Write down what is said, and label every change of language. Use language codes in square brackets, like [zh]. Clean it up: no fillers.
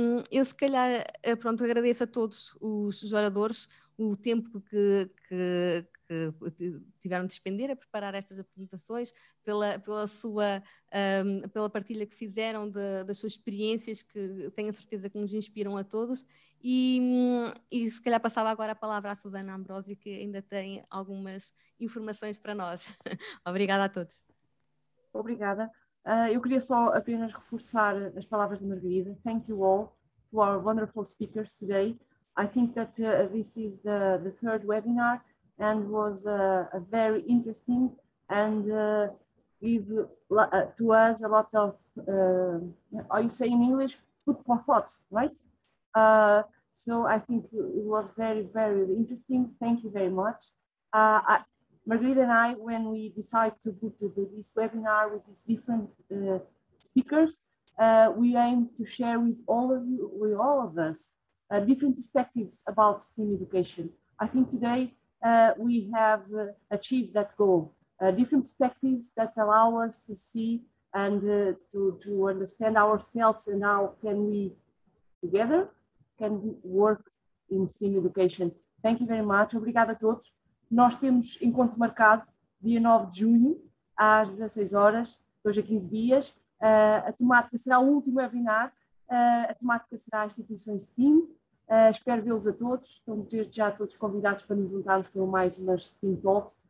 [pt] Eu se calhar, pronto, agradeço a todos os oradores o tempo que tiveram de despender a preparar estas apresentações, pela partilha que fizeram das suas experiências, que tenho a certeza que nos inspiram a todos, e se calhar passava agora a palavra à Susana Ambrosio, que ainda tem algumas informações para nós. Obrigada a todos. Obrigada. Eu queria só apenas reforçar as palavras da Margarida. [en] Thank you all to our wonderful speakers today. I think that this is the third webinar and was a very interesting and give to us a lot of, how you say in English, food for thought, right? So I think it was very, very interesting. Thank you very much. Margarida and I, when we decide to go to this webinar with these different speakers, we aim to share with all of you, with all of us, different perspectives about STEAM education. I think today we have achieved that goal, different perspectives that allow us to see and to understand ourselves and how can we together can work in STEAM education. Thank you very much. [pt] Obrigada a todos. Nós temos encontro marcado dia 9 de junho, às 16 horas, hoje a 15 dias. A temática será o último webinar, A temática será as instituições STEAM. Espero vê-los a todos. Estão já todos convidados para nos juntarmos para mais uma STEAM Talk.